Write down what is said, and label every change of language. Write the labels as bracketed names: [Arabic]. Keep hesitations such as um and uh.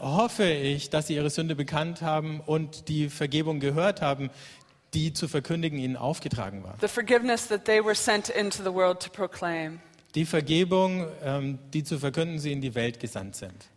[German] hoffe ich, dass sie ihre Sünde bekannt haben und die Vergebung gehört haben, die zu verkündigen ihnen aufgetragen war. [English] The forgiveness that they were sent into the world [German] die Vergebung, die zu verkünden sie in die Welt gesandt sind.